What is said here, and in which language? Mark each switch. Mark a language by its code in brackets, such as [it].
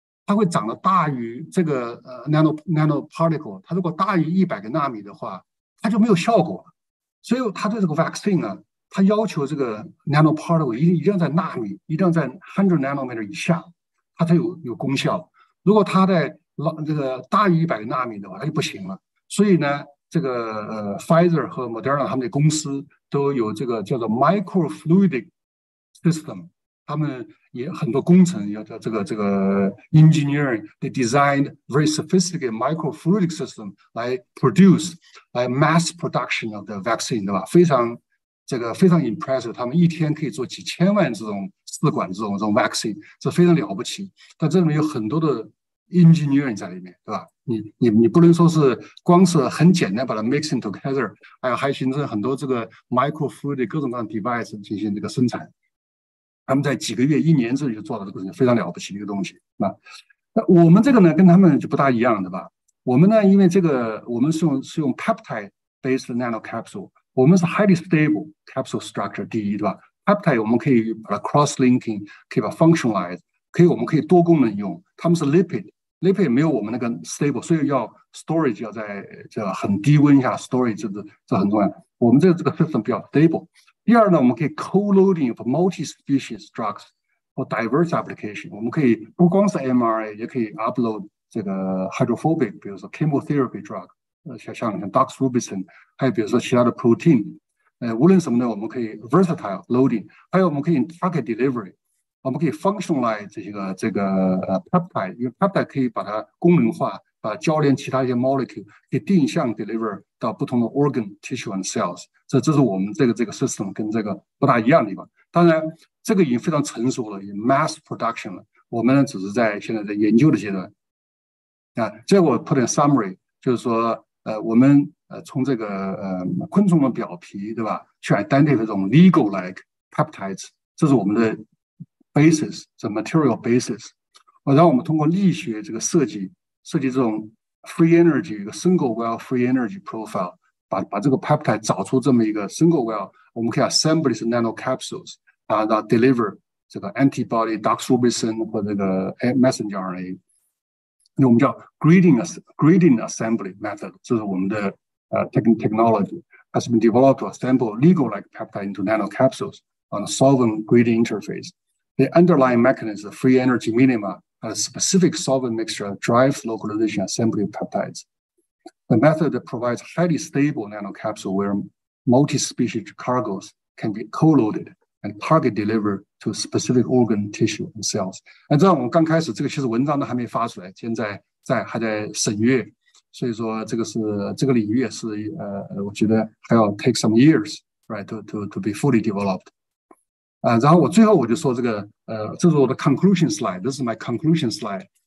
[zh] 它会长得大于这个nanoparticle， 它如果大于100个纳米的话，它就没有效果了。所以它对这个 vaccine 呢，它要求这个 nanoparticle 一定要在纳米，一定要在 100 nanometer 以下，它才有功效。如果它在这个大于100个纳米的话，它就不行了。所以呢，这个Pfizer 和 Moderna 他们的公司都有这个叫做 microfluidic system， 他们也很多工程要叫这个 engineering， [en] they designed very sophisticated microfluidic system [zh] 来 produce， 来 [en] mass production of the vaccine， [zh] 对吧？非常 impressive， 他们一天可以做几千万这种试管这种 vaccine， 这非常了不起。但这里面有很多的engineering 在里面，对吧？你不能说是光是很简单把它 mixing together， 还形成很多这个 microfluidic 各种各样的 device 进行这个生产。他们在几个月、一年之内就做到这个事情，非常了不起的一个东西。那我们这个呢，跟他们就不大一样，对吧？我们呢，因为这个我们是用 peptide based nano capsule， 我们是 [en] highly stable capsule structure [zh] 第一，对吧 ？peptide 我们可以把它 cross linking， 可以把 functionalize。可以，我们可以多功能用。他们是 lipid 没有我们那个 stable， 所以要 storage 要在这很低温下 storage， 这很重要。我们这个 system 比较 stable。第二呢，我们可以 [en] co-loading for multi-species drugs for diverse application。 [zh] 我们可以不光是 mRNA， 也可以 upload 这个 hydrophobic， 比如说 chemotherapy drug， 像 doxorubicin， 还有比如说其他的 protein。无论什么呢，我们可以 [en] versatile loading， [zh] 还有我们可以 target delivery。我们可以 functionalize 这个 peptide， 因为 peptide 可以把它功能化，把它交联其他一些 molecule， 可以定向 deliver 到不同的 [en] organ tissue and cells。 [zh] 这是我们这个 system 跟这个不大一样的地方。当然这个已经非常成熟了，已经 mass production 了，我们只是在现在在研究的阶段。这我 put in summary， 就是说我们从这个昆虫的表皮，对吧，去 identify 这种 legal like peptides， 这是我们的 basis， [en] the material basis， [zh] 然后我们通过力学这个设计这种 free energy， 一个 single well free energy profile， 把这个 peptide 找出这么一个 single well， 我们可以 [en] assemble these nano capsules， [zh] 然后 deliver 这个 antibody doxorubicin 或这个 messenger RNA， 那我们叫 grading assembly method， 这是我们的 [en] technology has been developed to assemble legal like peptide into nano capsules on a solvent grading interface。 The underlying mechanism of free energy minima and a specific solvent mixture drives localization assembly of peptides. The method that provides highly stable nanocapsule where multi-species cargoes can be co-loaded and target delivered to specific organ tissue and cells. [zh] 按照我们刚开始这个，其实文章都还没发出来，现在还在审阅，所以说这个领域也是我觉得还要 [en] take some years, right, to be fully developed. [zh] 然后我最后我就说这个这是我的 conclusion slide， [en] this is my conclusion slide。